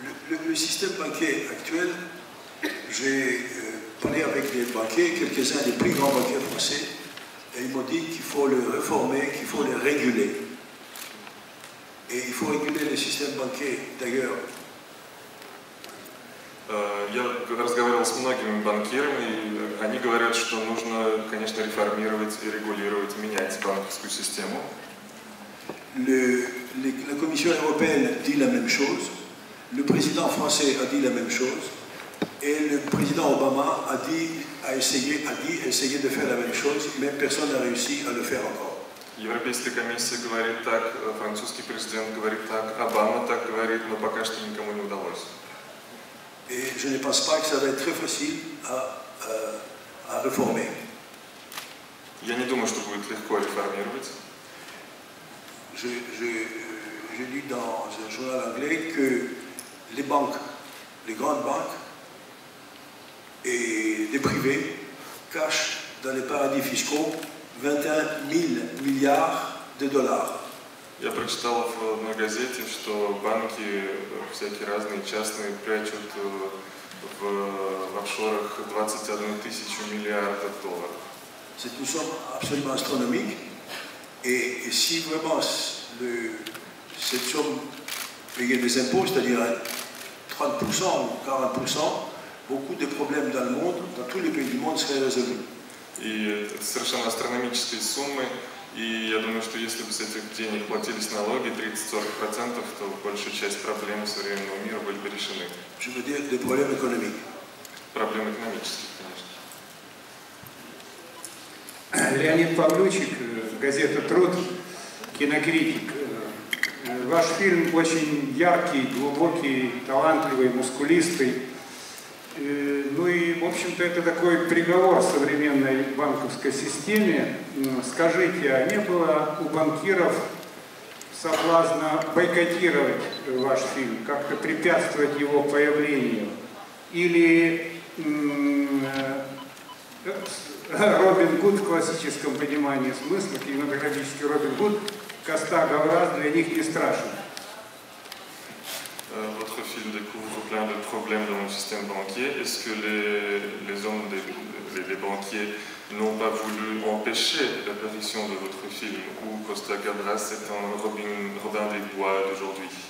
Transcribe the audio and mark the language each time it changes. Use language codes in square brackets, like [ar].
[fr] Le système bancaire actuel, j'ai parlé avec des banquiers, quelques-uns des plus grands banquiers français, et ils m'ont dit qu'il faut le réformer, qu'il faut le réguler. Et il faut réguler le système bancaire, d'ailleurs. [ru] Я разговаривал с многими банкирами, и они говорят, что нужно, конечно, реформировать и регулировать, менять банковскую систему. [fr] La Commission européenne dit la même chose, le président français a dit la même chose, et le président Obama a essayé de faire la même chose, mais personne n'a réussi à le faire encore. [ru] Европейская комиссия говорит так, французский президент говорит так, Обама так говорит, но пока что никому не удалось. [fr] Et je ne pense pas que ça va être très facile à réformer. [ru] Я не думаю, что будет легко реформировать. [fr] J'ai lu dans un journal anglais que les banques, les grandes banques et les privés cachent dans les paradis fiscaux 21 000 milliards de dollars. [ru] Я прочитал в одной газете, что банки всякие разные частные прячут в офшорах 21 тысячу миллиардов долларов. [fr] C'est une somme absolument astronomique. Et si vraiment cette somme payait des impôts, c'est-à-dire 30% ou 40%, beaucoup de problèmes dans le monde, dans tous les pays du monde seraient résolus. [ru] И совершенно астрономические суммы. И я думаю, что если бы с этих денег платились налоги 30-40%, то большая часть проблем современного мира были бы решены. [fr] Je veux dire des problèmes économiques. [ru] Проблемы экономические, конечно. Леонид Павлючик, газета «Труд», кинокритик. Ваш фильм очень яркий, глубокий, талантливый, мускулистый. Ну и, в общем-то, это такой приговор современной банковской системе. Скажите, а не было у банкиров соблазна бойкотировать ваш фильм, как-то препятствовать его появлению? Или Робин Гуд в классическом понимании смысла, кинематографический Робин Гуд, коста говраз для них не страшен? [fr] Votre film découvre plein de problèmes dans le système banquier. Est-ce que les banquiers n'ont pas voulu empêcher l'apparition de votre film ou Costa Gavras est un Robin des Bois d'aujourd'hui?